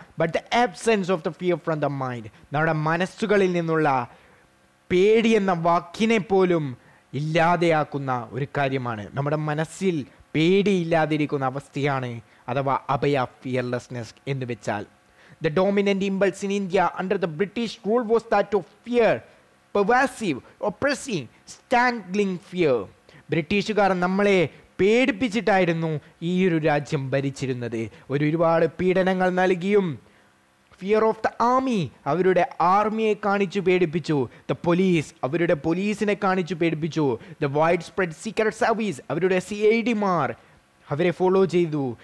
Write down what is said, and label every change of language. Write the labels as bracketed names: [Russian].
[English] but the absence of the fear from the mind, [Malayalam] നമ്മുടെ മനസ്സുകളിൽ നിന്നുള്ള പേടി എന്ന വാക്കിനെ പോലും ഇല്ലാതെയാക്കുന്ന ഒരു കാര്യമാണ്. നമ്മുടെ മനസ്സിൽ പേടിയില്ലാതിരിക്കുന്ന അവസ്ഥയാണ് അഥവാ അഭയ ഫിയർലെസ്നെസ് എന്ന് വെച്ചാൽ. [English] The dominant impulse in India under the British rule was that of fear. Pervasive, oppressing, strangling fear. [Malayalam] ബ്രിട്ടീഷുകാർ നമ്മളെ പേടിപ്പിച്ചിട്ടായിരുന്നു ഈ ഒരു രാജ്യം ഭരിച്ചിരുന്നത്. ഒരുപാട് പീഡനങ്ങൾ നൽകിയും [English] fear of the army, [Malayalam] അവരുടെ ആർമിയെ കാണിച്ചു പേടിപ്പിച്ചു. ദ പോലീസ്, അവരുടെ പോലീസിനെ കാണിച്ചു പേടിപ്പിച്ചു. [English] the wide spread secret service, [Malayalam] അവരുടെ CIDമാർ അവരെ ഫോളോ ചെയ്തു.